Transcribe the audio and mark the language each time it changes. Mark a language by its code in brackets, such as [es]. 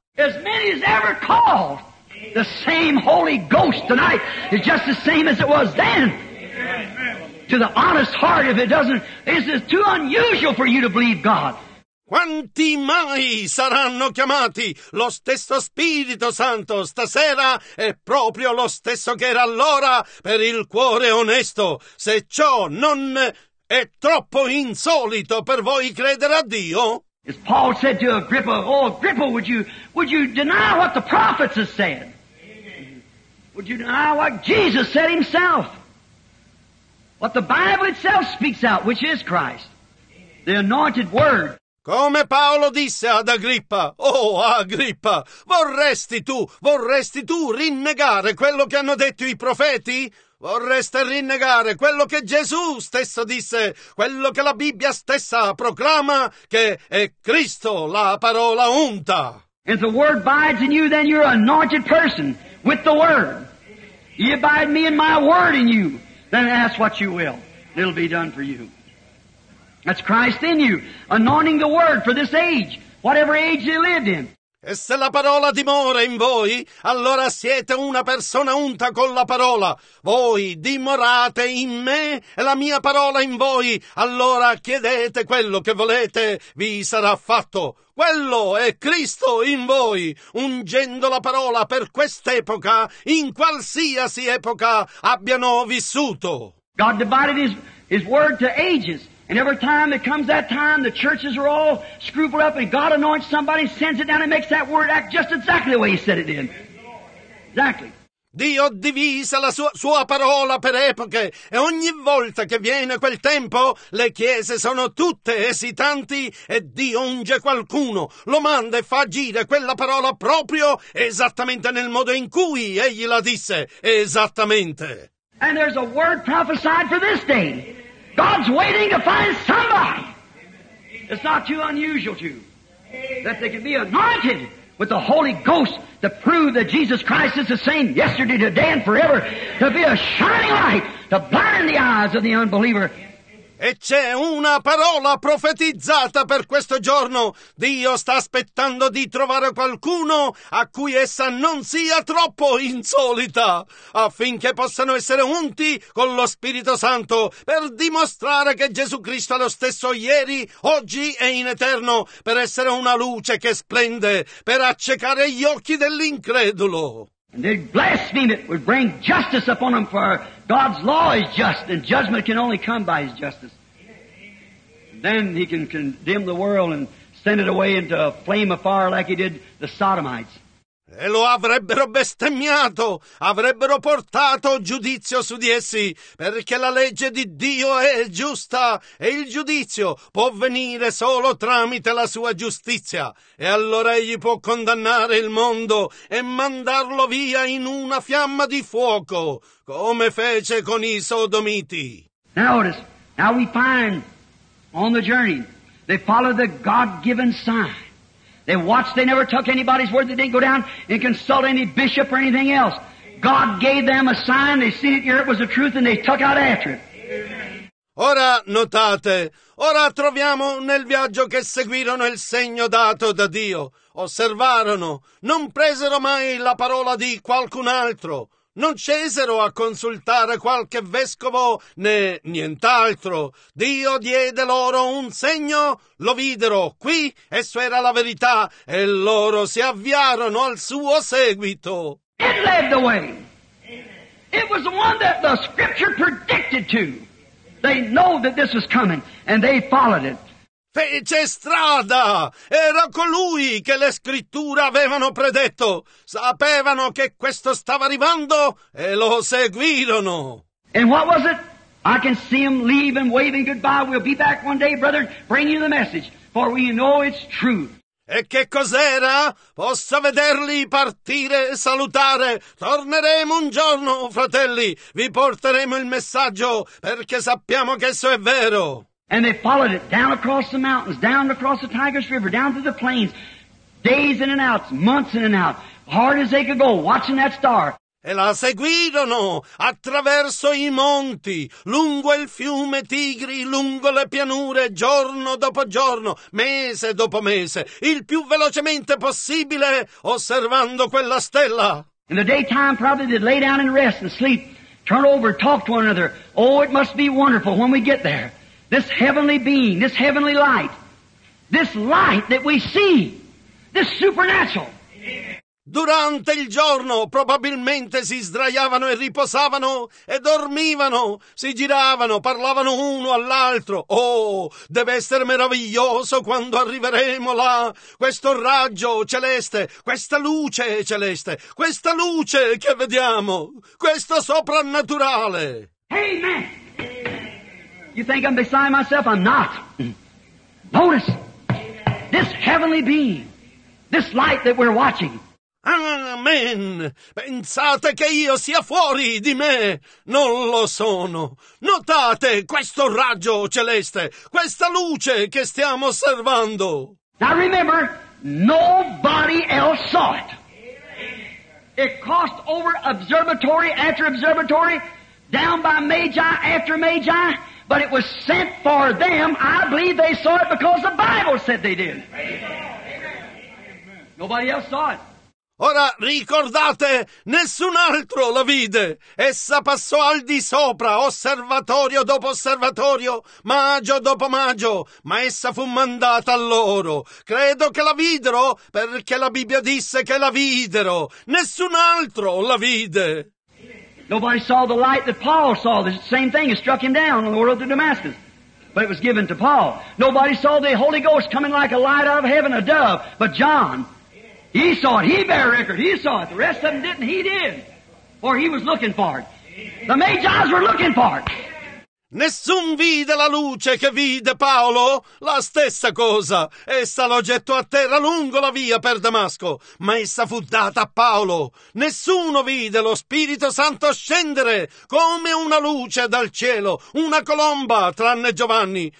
[en] As many as ever called. The same Holy Ghost tonight is just the same as it was then. Amen. To the honest heart, if it doesn't, this is too unusual for you to believe God. [it] Quanti mai saranno chiamati? Lo stesso Spirito Santo stasera è proprio lo stesso che era allora per il cuore onesto. Se ciò non è troppo insolito per voi credere a Dio. [en] As Paul said to Agrippa, oh Agrippa, would you deny what the prophets have said? Would you deny what Jesus said himself? What the Bible itself speaks out, which is Christ, the anointed word. [it] Come Paolo disse ad Agrippa, oh Agrippa, vorresti tu rinnegare quello che hanno detto i profeti? Vorreste rinnegare quello che Gesù stesso disse, quello che la Bibbia stessa proclama, che è Cristo la parola unta. [en] If the word abides in you, then you're an anointed person with the word. You abide me and my word in you, then ask what you will. It'll be done for you. That's Christ in you, anointing the word for this age, whatever age you lived in. [it] E se la parola dimora in voi, allora siete una persona unta con la parola. Voi dimorate in me e la mia parola in voi. Allora chiedete quello che volete, vi sarà fatto. Quello è Cristo in voi, ungendo la parola per quest'epoca, in qualsiasi epoca abbiano vissuto. [en] God divided his His word to ages. And every time it comes that time, the churches are all scrupled up and God anoints somebody, sends it down and makes that word act just exactly the way He said it did. Exactly. [it] Dio divisa la sua parola per epoche e ogni volta che viene quel tempo le chiese sono tutte esitanti e Dio unge qualcuno, lo manda e fa agire quella parola proprio esattamente nel modo in cui egli la disse, esattamente. [en] And there's a word prophesied for this day. God's waiting to find somebody. It's not too unusual to that they can be anointed with the Holy Ghost to prove that Jesus Christ is the same yesterday, today, and forever, to be a shining light to blind the eyes of the unbeliever. [it] E c'è una parola profetizzata per questo giorno. Dio sta aspettando di trovare qualcuno a cui essa non sia troppo insolita, affinché possano essere unti con lo Spirito Santo per dimostrare che Gesù Cristo è lo stesso ieri, oggi e in eterno, per essere una luce che splende, per accecare gli occhi dell'incredulo. [en] And they blaspheme it would bring justice upon them, for God's law is just, and judgment can only come by His justice. And then He can condemn the world and send it away into a flame of fire like He did the Sodomites. [it] E lo avrebbero bestemmiato, avrebbero portato giudizio su di essi, perché la legge di Dio è giusta e il giudizio può venire solo tramite la sua giustizia. E allora egli può condannare il mondo e mandarlo via in una fiamma di fuoco, come fece con i Sodomiti. [en] Now we find on the journey, they follow the God-given sign. They watched, they never took anybody's word, they didn't go down and consult any bishop or anything else. God gave them a sign, they seen it here, it was the truth, and they took out after it. [it] Ora notate, ora troviamo nel viaggio che seguirono il segno dato da Dio. Osservarono, non presero mai la parola di qualcun altro. Non scesero a consultare qualche vescovo né nient'altro. Dio diede loro un segno, lo videro qui, esso era la verità, e loro si avviarono al suo seguito. [en] It led the way. It was the one that the scripture predicted to. They know that this was coming, and they followed it. [it] Fece strada, era colui che le scritture avevano predetto. Sapevano che questo stava arrivando e lo seguirono. [en] And what was it? I can see him leaving, waving goodbye. We'll be back one day, brother, bring you the message, for we know it's true. [it] E che cos'era? Posso vederli partire e salutare. Torneremo un giorno, fratelli. Vi porteremo il messaggio, perché sappiamo che esso è vero. [en] And they followed it down across the mountains, down across the Tigris River, down through the plains, days in and out, months in and out, hard as they could go, watching that star. [it] E la seguirono attraverso i monti, lungo il fiume Tigri, lungo le pianure, giorno dopo giorno, mese dopo mese, il più velocemente possibile, osservando quella stella. [en] In the daytime, probably they'd lay down and rest and sleep, turn over, talk to one another. Oh, it must be wonderful when we get there. This heavenly being, this heavenly light, this light that we see, this supernatural. [it] Durante il giorno probabilmente si sdraiavano e riposavano e dormivano, si giravano, parlavano uno all'altro. Oh, deve essere meraviglioso quando arriveremo là, questo raggio celeste, questa luce celeste, questa luce che vediamo, questo soprannaturale. [en] Amen. You think I'm beside myself? I'm not. Notice, this heavenly being, this light that we're watching. Amen. [it] Pensate che io sia fuori di me? Non lo sono. Notate questo raggio celeste, questa luce che stiamo osservando. [en] Now remember, nobody else saw it. It crossed over observatory after observatory, down by magi after magi. But it was sent for them. I believe they saw it because the Bible said they did. Nobody else saw it. [it] Ora ricordate, nessun altro la vide. Essa passò al di sopra, osservatorio dopo osservatorio, magio dopo magio, ma essa fu mandata a loro. Credo che la videro perché la Bibbia disse che la videro. Nessun altro la vide. [en] Nobody saw the light that Paul saw. The same thing. It struck him down on the road to Damascus. But it was given to Paul. Nobody saw the Holy Ghost coming like a light out of heaven, a dove. But John, he saw it. He bare record. He saw it. The rest of them didn't. He did. For he was looking for it. The Magi's were looking for it. [it] Nessun vide la luce che vide Paolo, la stessa cosa. Essa lo gettò a terra lungo la via per Damasco, ma essa fu data a Paolo. Nessuno vide lo Spirito Santo scendere come una luce dal cielo, una colomba, tranne Giovanni.